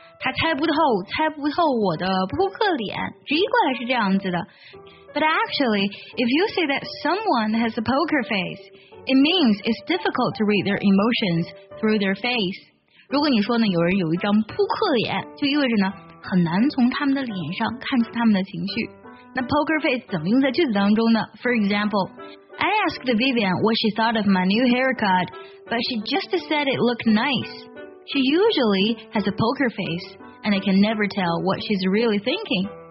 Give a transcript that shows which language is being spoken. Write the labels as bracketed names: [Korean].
[Chinese] 他猜不透我的扑克脸，直译过来是这样子的。 [English] But actually, if you say that someone has a poker face, it means it's difficult to read their emotions through their face。 [Chinese] 如果你说呢，有人有一张扑克脸，就意味着呢，很难从他们的脸上看出他们的情绪。那 poker face 怎么用在句子当中呢？ [English] For example, I asked Vivian what she thought of my new haircut, but she just said it looked nice. She usually has a poker face, and I can never tell what she's really thinking.